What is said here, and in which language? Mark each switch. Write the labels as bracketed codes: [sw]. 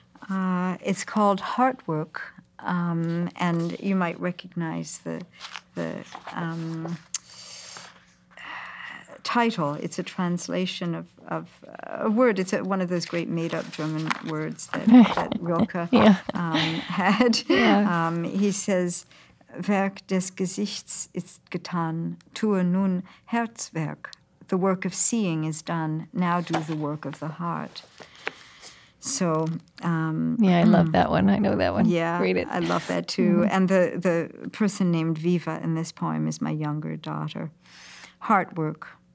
[en] It's called Heartwork, and you might recognize the title. It's a translation of a word. It's one of those great made-up German words that Rilke yeah. Had. Yeah. He says, [de] Werk des Gesichts ist getan, tue nun Herzwerk. [en] The work of seeing is done, now do the work of the heart. So, yeah, I love that one. I know that one. Yeah, read it. I love that too. Mm-hmm. And the person named Viva in this poem is my younger daughter. Heartwork.